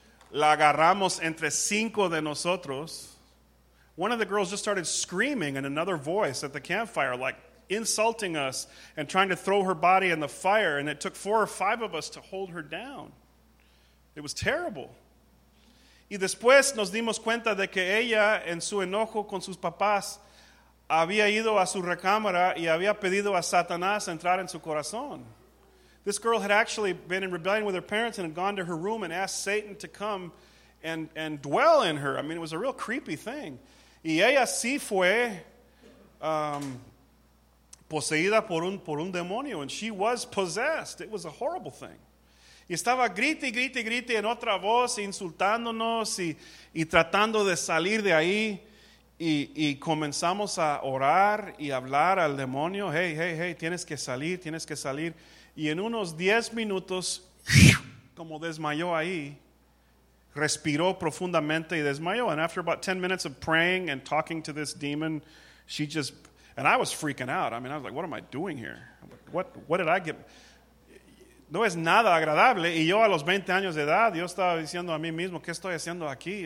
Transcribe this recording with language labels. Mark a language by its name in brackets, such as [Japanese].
[Spanish] La agarramos entre cinco de nosotros. [English] One of the girls just started screaming in another voice at the campfire, like insulting us and trying to throw her body in the fire, and it took four or five of us to hold her down. It was terrible. [Spanish] Y después nos dimos cuenta de que ella, en su enojo con sus papás, había ido a su recámara y había pedido a Satanás entrar en su corazón. [English] This girl had actually been in rebellion with her parents and had gone to her room and asked Satan to come and dwell in her. I mean, it was a real creepy thing. [Spanish] Y ella sí fue poseída por un demonio, [English] and she was possessed. It was a horrible thing. [Spanish] Y estaba grite, grite, grite en otra voz, insultándonos y tratando de salir de ahí. Y comenzamos a orar y hablar al demonio. Hey, hey, hey, tienes que salir, tienes que salir. Y en unos 10 minutos, como desmayó ahí, respiró profundamente y desmayó. [English] And after about 10 minutes of praying and talking to this demon, she just, and I was freaking out. I mean, I was like, what am I doing here? What did I get? [Spanish] No es nada agradable. Y yo a los 20 años de edad, yo estaba diciendo a mí mismo, ¿qué estoy haciendo aquí?